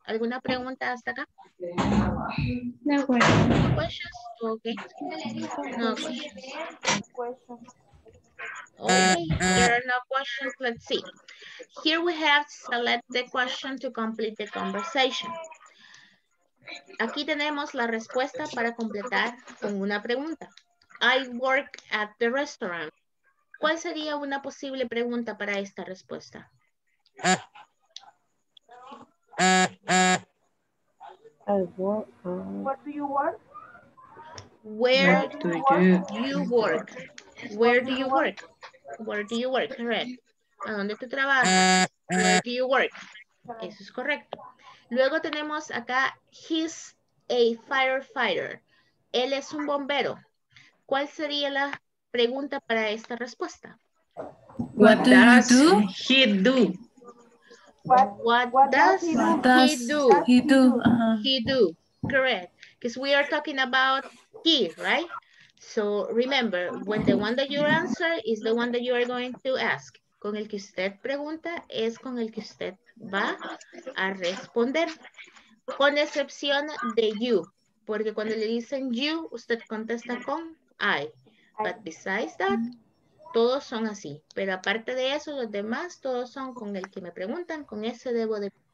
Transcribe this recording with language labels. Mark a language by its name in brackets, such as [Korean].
[Spanish] ¿Alguna pregunta hasta acá? [English] No questions. Okay. No questions. Okay, there are no questions. Let's see. Here we have select the question to complete the conversation. [Spanish] Aquí tenemos la respuesta para completar con una pregunta. [English] I work at the restaurant. [Spanish] ¿Cuál sería una posible pregunta para esta respuesta? [English] Where do you work? Where do you work? Where do you work? Correct. [Spanish] ¿A dónde te trabajas? [English] Where do you work? [Spanish] Eso es correcto. Luego tenemos acá, [English] he's a firefighter. [Spanish] Él es un bombero. ¿Cuál sería la pregunta para esta respuesta? [English] What does he do? He do. What does he do? He do. Uh-huh. He do. Correct. Because we are talking about he, right? So remember, when the one that you answer is the one that you are going to ask. [Spanish] Con el que usted pregunta es con el que usted va a responder. Con excepción de you. Porque cuando le dicen you, usted contesta con I. [English] But besides that, [Spanish] todos son así. Pero aparte de eso, los demás, todos son con el que me preguntan, con ese debo de...